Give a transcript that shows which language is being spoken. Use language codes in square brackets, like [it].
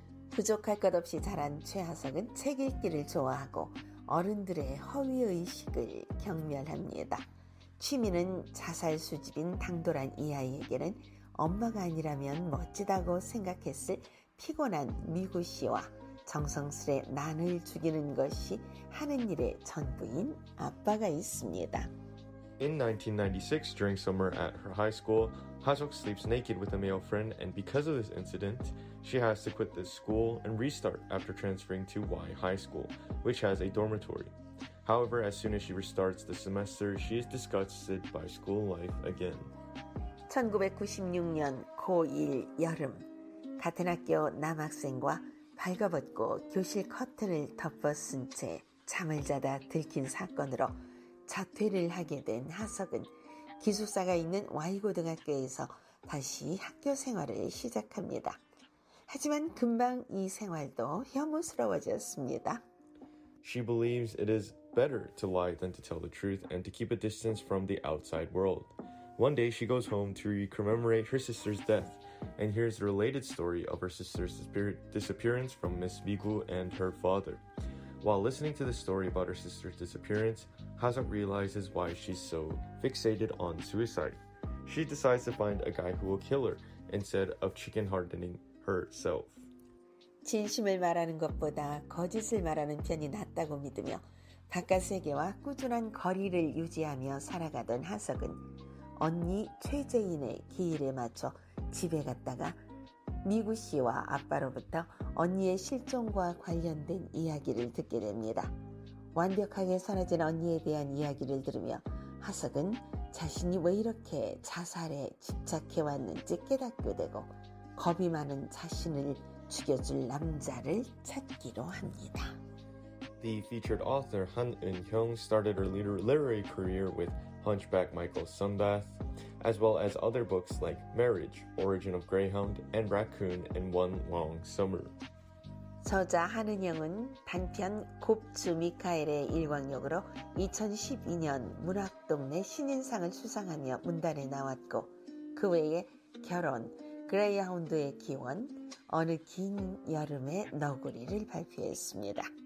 [ko] 부족할 것 없이 자란 최하석은 책 읽기를 좋아하고 어른들의 허위의식을 경멸합니다. 취미는 자살 수집인 당돌한 이 아이에게는 엄마가 아니라면 멋지다고 생각했을 피곤한 미구 씨와 정성스레 난을 죽이는 것이 하는 일의 전부인 아빠가 있습니다. [en] In 1996, during summer at her high school, Haseok sleeps naked with a male friend, and because of this incident, she has to quit the school and restart after transferring to Y High School, which has a dormitory. However, as soon as she restarts the semester, she is disgusted by school life again. [ko] 1996년 고1 여름, 같은 학교 남학생과 발가벗고 교실 커튼을 덮어쓴 채 잠을 자다 들킨 사건으로 자퇴를 하게 된 하석은 기숙사가 있는 Y고등학교에서 다시 학교 생활을 시작합니다. 하지만 금방 이 생활도 혐오스러워졌습니다. [en] She believes it is better to lie than to tell the truth and to keep a distance from the outside world. One day she goes home to commemorate her sister's death. And here's the related story of her sister's disappearance from Miss Migu and her father. While listening to the story about her sister's disappearance, Haseok realizes why she's so fixated on suicide. She decides to find a guy who will kill her instead of chicken-hearting herself. [ko] 진심을 말하는 것보다 거짓을 말하는 편이 낫다고 믿으며 바깥 세계와 꾸준한 거리를 유지하며 살아가던 하석은 언니 최재인의 기일에 맞춰 집에 갔다가 미구 씨와 아빠로부터 언니의 실종과 관련된 이야기를 듣게 됩니다. 완벽하게 사라진 언니에 대한 이야기를 들으며 하석은 자신이 왜 이렇게 자살에 집착해왔는지 깨닫게 되고 겁이 많은 자신을 죽여줄 남자를 찾기로 합니다. [en] The featured author Han Eun-hyung started her literary career with Hunchback Michael Sunbath, as well as other books like Marriage, Origin of Greyhound, and Raccoon in One Long Summer. [ko] 저자 한은영은 단편 곱주 미카엘의 일광역으로 2012년 문학동네 신인상을 수상하며 문단에 나왔고 그 외에 결혼, 그레이하운드의 기원, 어느 긴 여름의 너구리를 발표했습니다.